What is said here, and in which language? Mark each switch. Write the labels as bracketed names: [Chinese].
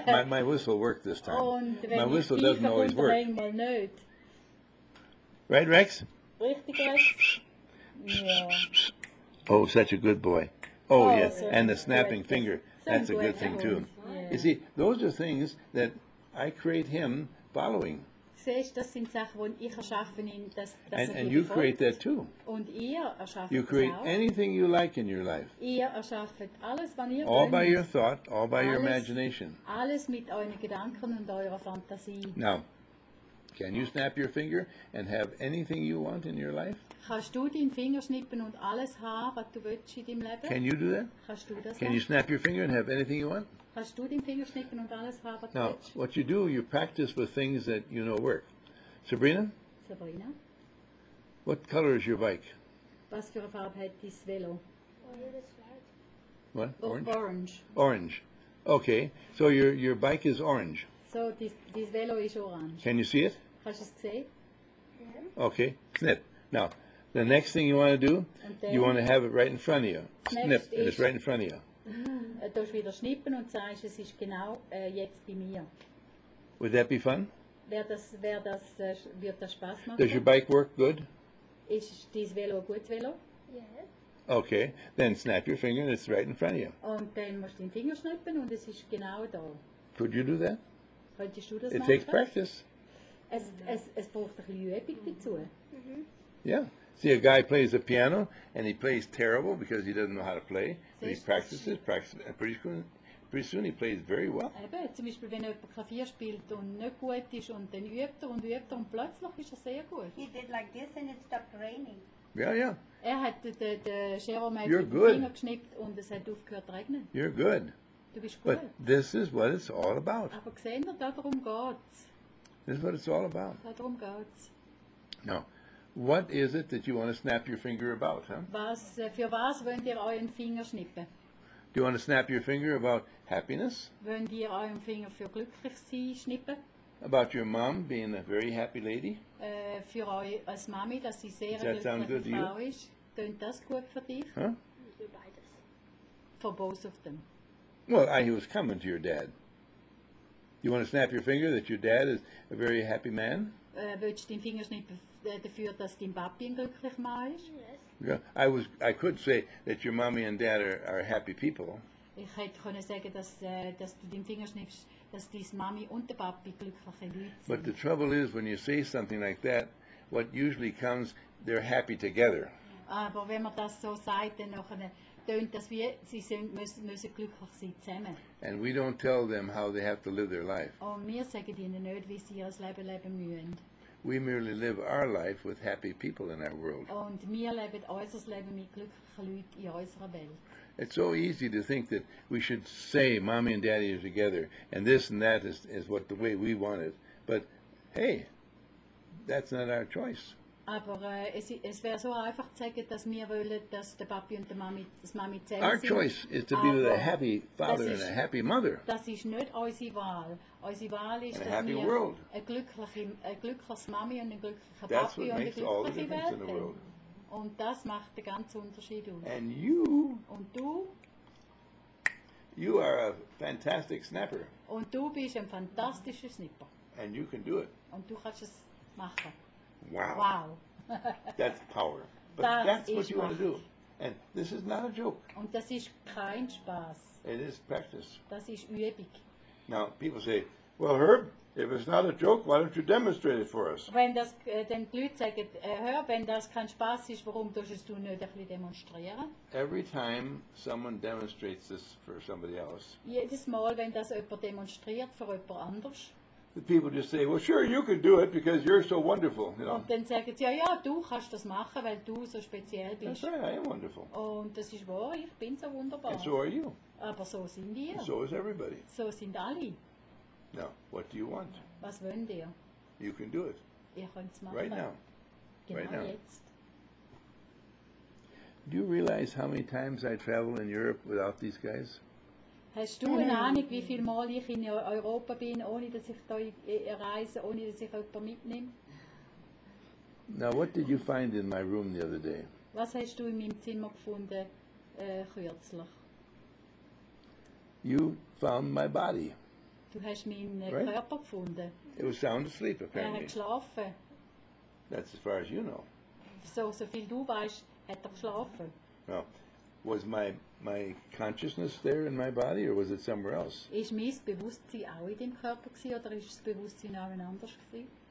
[English] My whistle worked this time. My whistle doesn't always work. Right, Rex? [German] Richtig, Rex. [English] Yeah. Oh, such a good boy. Oh, yes. So and the snapping good. Finger. That's a good thing, too. Yeah. You see, those are things that I create him following. [German] siehst, das sind Sachen, die ich erschaffen in das. [English] And you create that too. [German] Und ihr erschafft. [English] You create anything you like in your life. [German] Ihr erschafft alles, was ihr. [English] All by your thought, all by your imagination. [German] Alles mit euren Gedanken und eurer Fantasie. [English] Now, can you snap your finger and have anything you want in your life? [German] Kannst du deinen Finger schnippen und alles haben, was du willst in deinem Leben? [English] Can you do that? [German] Kannst du das? [English] Can you snap your finger and have anything you want? [German] Kannst du deinen Finger schnippen und alles haben, was du willst? [English] Now, what you do, you practice with things that you know work. Sabrina? Sabrina? What color is your bike? [German] Was für eine Farbe hat dein Velo? [English] What? Orange? Orange. Orange. Okay, so your bike is orange. So, this Velo is orange. Can you see it? [German] Kannst du es sehen? [English] Yeah. Okay, snip. Now, the next thing you want to do, you want to have it right in front of you. Snip, and it's right in front of you. [German] Du musst wieder schnippen und sagst, es ist genau jetzt bei mir. [English] Would that be fun? [German] Wird das Spaß machen? [English] Does your bike work good? [German] Ist dein Velo ein gutes Velo? [English] Yes. Okay, then snap your finger and it's right in front of you. [German] Und dann musst du den Finger schnippen und es ist genau da. [English] Could you do that? [German] Könntest du das [English] it [German] machen? [English] It takes practice. [German] Es braucht ein bisschen Übung dazu. Mhm. [English] Yeah. See, a guy plays the piano, and he plays terrible because he doesn't know how to play. And he practices, and pretty soon he plays very well. [German] Eben, zum Beispiel, wenn jemand Klavier spielt und nicht gut ist, und dann übt er, und plötzlich ist er sehr gut. [English] He did like this, and it stopped raining. Yeah, yeah. [German] Er hat den Scheromel mit dem Finger geschnippt, und es hat aufgehört zu regnen. [English] You're good. [German] Du bist gut. [English] But this is what it's all about. [German] Aber gesehen wir, darum geht's. [English] This is what it's all about. [German] Darum geht's. [English] No. What is it that you want to snap your finger about, huh? [German] Was, für was wollt ihr euren Finger schnippen? [English] Do you want to snap your finger about happiness? [German] Wollt ihr euren Finger für glücklich sein schnippen? [English] About your mom being a very happy lady? [German] Für euch als Mami, dass sie sehr glückliche Frau ist. Tönt das gut für dich? Huh? Für beides. [English] For both of them. Well, I was coming to your dad. Do you want to snap your finger that your dad is a very happy man? [German] Willst du deinen Finger schnippen? Dafür, dass dein Papi ein glücklicher Mann ist? [English] Yes. Yeah, I could say that your mommy and dad are happy people. [German] Ich hätte können sagen, dass du deinen Finger schnippst, dass dein Mami und der Papi glückliche Leute sind. [English] But the trouble is, when you say something like that, what usually comes, they're happy together. [German] Aber wenn man das so sagt, dann tönt das wie, sie müssen glücklich sein zusammen. [English] And we don't tell them how they have to live their life. [German] Und wir sagen ihnen nicht, wie sie ihr Leben leben müssen. [English] We merely live our life with happy people in our world. [German] Und wir leben unser Leben mit glücklichen Leuten in unserer Welt. [English] It's so easy to think that we should say mommy and daddy are together and this and that is what the way we want it. But hey, that's not our choice. [German] Aber es wäre so einfach zu sagen, dass wir wollen, dass der Papi und der Mami zusammen sind. Our choice is to be with a happy father and a happy mother. Das ist nicht unsere Wahl. Unsere Wahl ist, dass wir eine glückliche Mami und einen glücklichen Papi und eine glückliche Welt haben. Und das macht den ganzen Unterschied aus. [English] And you, [German] und du? [English] You are a fantastic snapper. [German] Und du bist ein fantastischer Snipper. [English] And you can do it. [German] Und du kannst es machen. [English] Wow. That's power. But [German] das [English] that's what you [German] Macht. [English] Want to do. And this is not a joke. [German] Und das ist kein Spaß. [English] It is practice. [German] Das ist Übung. [English] Now, people say, well, Herb, if it's not a joke, why don't you demonstrate it for us? [German] Wenn das den Leuten sagen, Herb, wenn das kein Spaß ist, warum tust du nicht ein bisschen demonstrieren? [English] Every time someone demonstrates this for somebody else. [German] Jedes Mal, wenn das jemand demonstriert für jemand anders. [English] The people just say, well, sure, you can do it because you're so wonderful. You know? [German] Und dann sagen sie, ja, du kannst das machen, weil du so speziell bist. [English] That's right, I am wonderful. [German] Und das ist wahr, ich bin so wunderbar. [English] And so are you. [German] Aber so sind wir. [English] So is everybody. [German] So sind alle. [English] Now, what do you want? [German] Was wollt ihr? [English] You can do it. [German] Ihr könnt es machen. [English] Right now. [German] Genau [English] right now. [German] Jetzt. [English] Do you realize how many times I travel in Europe without these guys? [German] Hast du eine Ahnung, wie viele Mal ich in Europa bin, ohne dass ich da reise, ohne dass ich jemanden mitnehme? [English] Now, what did you find in my room the other day? [German] Was hast du in meinem Zimmer gefunden, kürzlich? [English] You found my body. [German] Du hast meinen [English] right? [German] Körper gefunden. [English] It was sound asleep, apparently. [German] Er hat geschlafen. [English] That's as far as you know. [German] So viel du weißt, hat er geschlafen. [English] No. Was my consciousness there in my body, or was it somewhere else? [German] Ist mein Bewusstsein auch in dem Körper gewesen, oder ist das Bewusstsein auch anders gewesen?